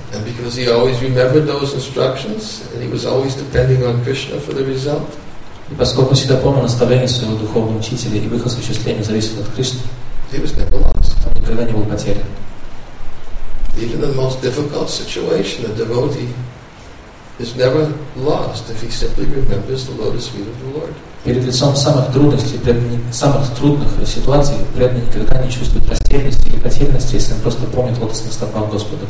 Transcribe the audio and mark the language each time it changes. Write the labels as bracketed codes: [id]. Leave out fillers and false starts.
[en] And because he always remembered those instructions, and he was always depending on Krishna for the result. [ru] И поскольку он всегда помнил наставление своего духовного учителя и выход осуществления зависит от Кришны, он никогда не был потерян. [en] Even in the most difficult situation, a devotee is never lost if he simply remembers the lotus feet of the Lord. [ru] перед лицом самых трудностей, самых трудных ситуаций преданный никогда не чувствует растерянности или потерянности, если он просто помнит лотосных стопах Господа